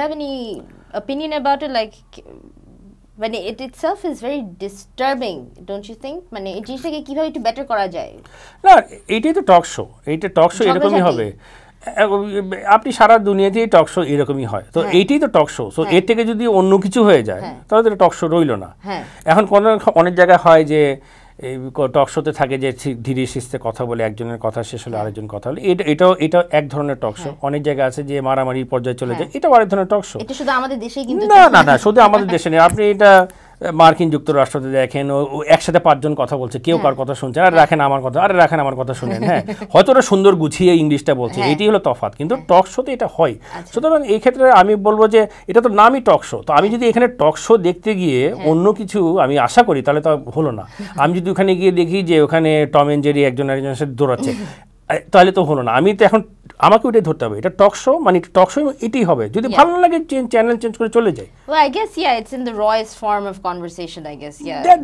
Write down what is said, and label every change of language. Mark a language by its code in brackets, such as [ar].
[en] have any opinion about it, like? But it itself is very disturbing, don't you think? [bn] মানে এই জিনিসটাকে কিভাবে একটু বেটার করা যায়? না, এইটাই তো টক শো, এইটা টক শো এরকমই হবে। আপনি সারা দুনিয়াতেই টক শো এরকমই হয়, তো এইটাই তো টক শো। সো এর থেকে যদি অন্য কিছু হয়ে যায় তাহলে তো টক শো রইল না। এখন কোন অনেক জায়গায় হয় যে এই টক শোতে থাকে যে ধীরে সিস্তে কথা বলে, একজনের কথা শেষ হলে আরেকজন কথা বলে, এটাও এটাও এক ধরনের টক শো। অনেক জায়গায় আছে যে মারামারি পর্যায়ে চলে যায়, এটাও আরেক ধরনের টক শো। এটা শুধু আমাদের দেশে কিন্তু না, না না, শুধু আমাদের দেশে নেই। আপনি এটা মার্কিন যুক্তরাষ্ট্রতে দেখেন, একসাথে পাঁচজন কথা বলছে, কেউ কার কথা শুনছে, আর রাখেন আমার কথা, আরে রাখেন আমার কথা শুনেন, হ্যাঁ হয়তো ওরা সুন্দর গুছিয়ে ইংলিশটা বলছে, এটাই হলো তফাত। কিন্তু টক শোতে এটা হয়। সুতরাং এই ক্ষেত্রে আমি বলবো যে এটা তো নামই টক শো, তো আমি যদি এখানে টক শো দেখতে গিয়ে অন্য কিছু আমি আশা করি তাহলে তো হলো না। আমি যদি ওখানে গিয়ে দেখি যে ওখানে টম এন্ড জেরি একজন আরেকজনের সাথে দৌড়াচ্ছে তাহলে তো হলো না। আমি তো এখন আমাকে ওইটাই ধরতে হবে, এটা টক শো, মানে টক শো এটাই হবে। যদি ভালো না লাগে চ্যানেল চেঞ্জ করে চলে যাই। [en] Well, I guess, yeah, it's in the rawest form of conversation, I guess, yeah.